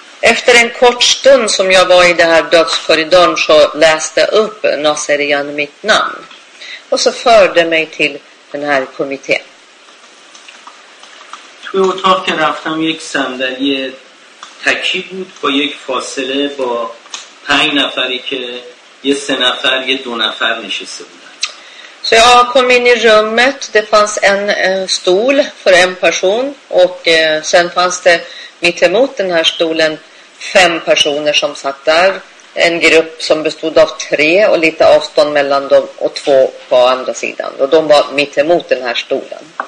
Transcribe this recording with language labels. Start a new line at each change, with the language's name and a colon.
Swedish: Efter en kort stund som jag var i det här dödskorridoren så läste jag upp Naserian mitt namn. Och så förde mig till den här kommittén.
Persian: توی اتاق رفتم یک صندلی تکی بود با یک فاصله با پنج نفری که یه سه نفر یه دو نفر نشسته بودن.
Swedish: Så jag kom in i rummet. Det fanns en stol för en person och sen fanns det mitt emot den här stolen fem personer som satt där. En grupp som bestod av tre och lite avstånd mellan dem och två på andra sidan. Och de var mitt emot den här stolen.